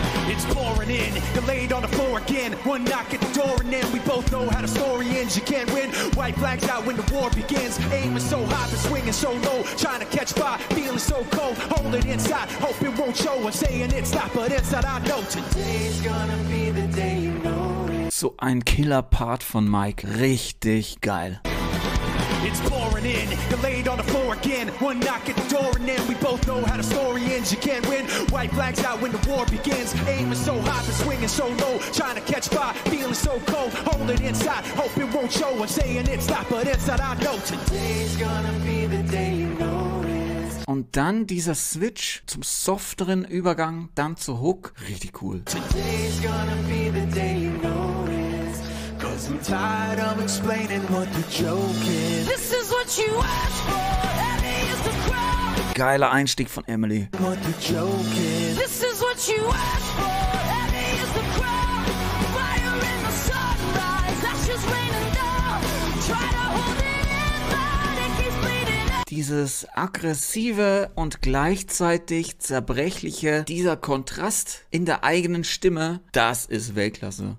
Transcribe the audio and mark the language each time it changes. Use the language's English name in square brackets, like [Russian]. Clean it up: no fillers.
[English] It's pouring in, laid on the floor again. One knock at the door and then we both know how the story ends. You can't win, white flags out when the war begins. Aiming so high, but swinging so low. Trying to catch fire, feeling so cold. Hold it inside, hope it won't show. I'm saying it's not, but inside I know. Today's gonna be the day you know. [German] So ein Killer-Part von Mike. Richtig geil. [English] It's pouring in, delayed on the floor again. One knock at the door and then we both know how the story ends. You can't win, white flags out when the war begins. Aiming so high, but swinging so low. Trying to catch fire, feeling so cold. Hold it inside, hope it won't show. I'm saying it's not, but inside I know. Today's gonna be the day you know. [German] Und dann dieser Switch zum softeren Übergang, dann zur Hook. Richtig cool. [English] Today's gonna be the day you know. I'm tired of explaining what the joke is. This is what you asked for, and he is the crowd. [German] Geiler Einstieg von Emily. [English] What the joke is. This is what you asked for, and he is the crowd. Fire in the sunrise, ashes raining down. Try to hold it in, but it keeps bleeding out. [German] Dieses aggressive und gleichzeitig zerbrechliche, dieser Kontrast in der eigenen Stimme, das ist Weltklasse.